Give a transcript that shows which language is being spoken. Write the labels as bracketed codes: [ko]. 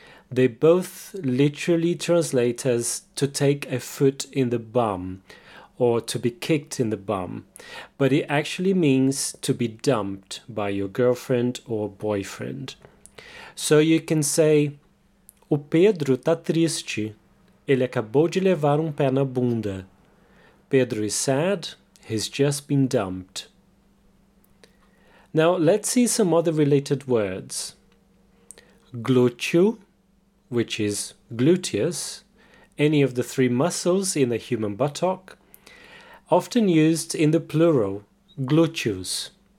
[en] They both literally translate as to take a foot in the bum or to be kicked in the bum, but it actually means to be dumped by your girlfriend or boyfriend. So you can say, [pt] O Pedro tá triste. Ele acabou de levar pé na bunda. [en] Pedro is sad. He's just been dumped. Now let's see some other related words. Glúteo, which is gluteus, any of the three muscles in the human buttock, often used in the plural, glúteos.